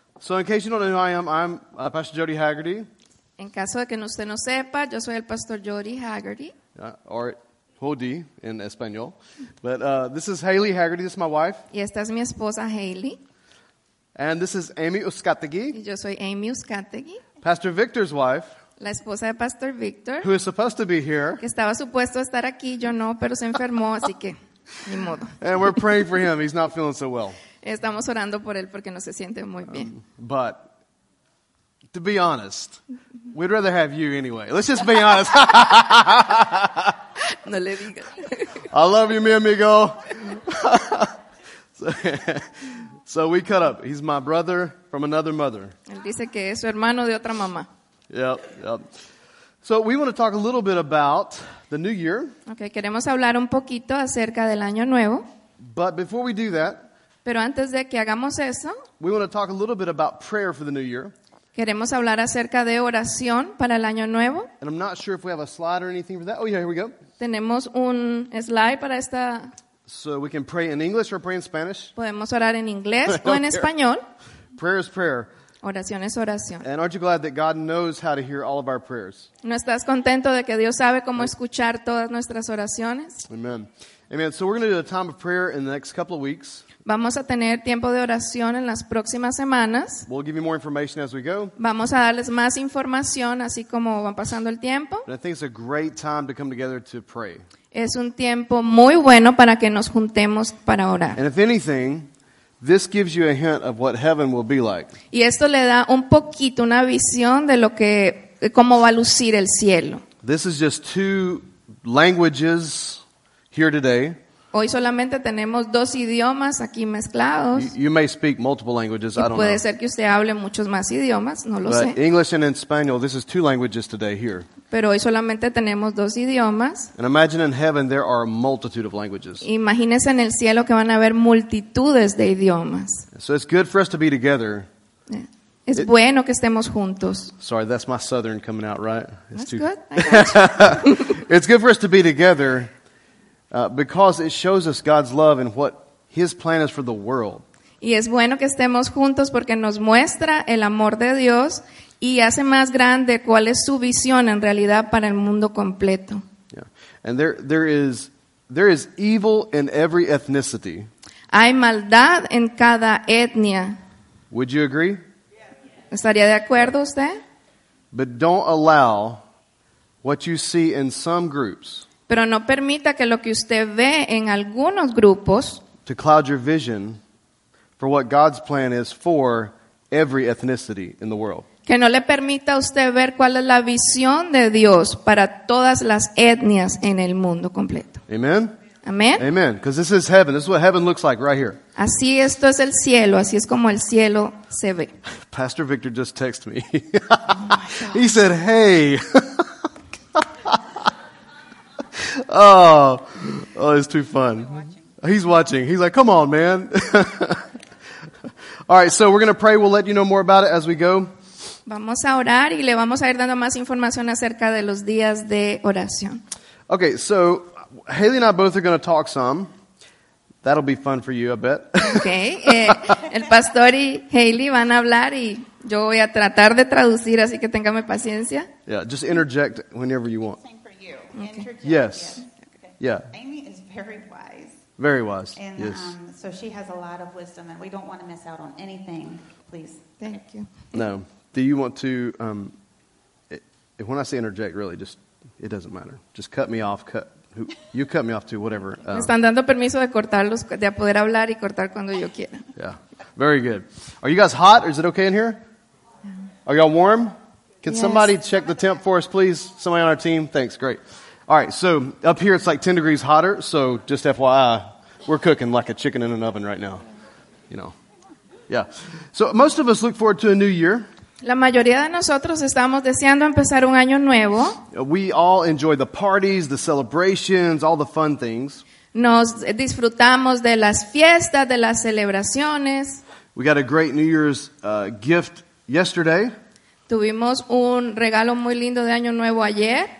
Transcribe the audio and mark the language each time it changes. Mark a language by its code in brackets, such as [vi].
[en] So in case you don't know who I am, I'm Pastor Jody Hagerty. [es] En caso de que usted no sepa, yo soy el Pastor Jody Hagerty. [en] Or Jody in Espanol. But this is Haley Hagerty, this is my wife. [es] Y esta es mi esposa Haley. [en] And this is Amy Uscategui. [es] Y yo soy Amy Uscategui. [en] Pastor Victor's wife. [es] La esposa de Pastor Victor. [en] Who is supposed to be here. [es] Que estaba supuesto estar aquí, yo no, pero se enfermó, así que ni modo. [en] And we're praying for him. He's not feeling so well. [es] Estamos orando por él porque no se siente muy bien. [en] But to be honest, we'd rather have you anyway. Let's just be honest. [es] No le digas. [en] I love you, [es] mi amigo. [en] So we cut up. He's my brother from another mother. [es] Él dice que es su hermano de otra mamá. [en] Yep. So we want to talk a little bit about the new year. [es] Okay, queremos hablar un poquito acerca del año nuevo. [en] But before we do that, [es] pero antes de que hagamos eso, [en] we want to talk a little bit about prayer for the new year. [es] Queremos hablar acerca de oración para el año nuevo. [en] And I'm not sure if we have a slide or anything for that. Oh yeah, here we go. [es] Tenemos un slide para esta. [en] So we can pray in English or pray in Spanish. [es] Podemos orar en inglés o en español. [en] Prayer is prayer. [es] Oración es oración. [en] And aren't you glad that God knows how to hear all of our prayers? [es] ¿No estás contento de que Dios sabe cómo escuchar todas nuestras oraciones? [en] Amen. Amen. So we're going to do a time of prayer in the next couple of weeks. [es] Vamos a tener tiempo de oración en las próximas semanas. [en] We'll give you more information as we go. [es] Vamos a darles más información así como van pasando el tiempo. [en] And I think it's a great time to come together to pray. [es] Es un tiempo muy bueno para que nos juntemos para orar. [en] And if anything, this gives you a hint of what heaven will be like. [es] Y esto le da un poquito una visión de lo que cómo va a lucir el cielo. [en] This is just two languages here today. [es] Hoy solamente tenemos dos idiomas aquí mezclados. [en] You may speak multiple languages, [es] y [en] I don't [es] puede [en] know. [es] Ser que usted hable muchos más idiomas, no lo [en] but [es] sé. [en] English and in Spanish, this is two languages today here. [es] Pero hoy solamente tenemos dos idiomas. [en] And imagine in heaven there are a multitude of languages. [es] Imagínese en el cielo que van a haber multitudes de idiomas. [en] So it's good for us to be together. [es] Es bueno que estemos juntos. [en] Sorry, that's my southern coming out, right? It's that's too good. It's good for us to be together. Because it shows us God's love and what His plan is for the world. [es] Y es bueno que estemos juntos porque nos muestra el amor de Dios y hace más grande cuál es su visión en realidad para el mundo completo. [en] Yeah. And there is evil in every ethnicity. [es] Hay maldad en cada etnia. [en] Would you agree? Yeah. [es] ¿Estaría de acuerdo usted? [en] But don't allow what you see in some groups. [es] Pero no permita que lo que usted ve en algunos grupos [en] to cloud your vision for what God's plan is for every ethnicity in the world. [es] Que no le permita a usted ver cuál es la visión de Dios para todas las etnias en el mundo completo. [en] Amen. Amen. Amen. Because this is heaven. This is what heaven looks like right here. [es] Así esto es el cielo. Así es como el cielo se ve. [en] Pastor Victor just texted me. Oh my God. He said, "Hey." Oh, it's too fun. He's watching. He's like, come on, man. All right, so we're going to pray. We'll let you know more about it as we go. [es] Vamos a orar y le vamos a ir dando más información acerca de los días de oración. [en] Okay, so Haley and I both are going to talk some. That'll be fun for you, I bet. [es] Okay, el pastor y Haley van a hablar y yo voy a tratar de traducir, así que téngame paciencia. [en] Yeah, just interject whenever you want. Okay. Yes. Yeah. Amy is very wise. Very wise. And yes. So she has a lot of wisdom, and we don't want to miss out on anything. Please. Thank you. No. Do you want to? When I say interject, really, just it doesn't matter. Just cut me off. You cut me off too. Whatever. [es] Están dando permiso de cortarlos, de poder hablar y cortar cuando yo quiera. [en] Yeah. Very good. Are you guys hot, or is it okay in here? Are y'all warm? Can yes. Somebody check the temp for us, please? Somebody on our team? Thanks. Great. All right. So up here, it's like 10 degrees hotter. So just FYI, we're cooking like a chicken in an oven right now. You know. Yeah. So most of us look forward to a new year. [es] La mayoría de nosotros estamos deseando empezar un año nuevo. [en] We all enjoy the parties, the celebrations, all the fun things. [es] Nos disfrutamos de las fiestas, de las celebraciones. [en] We got a great New Year's gift yesterday. [es] Tuvimos un regalo muy lindo de Año Nuevo ayer.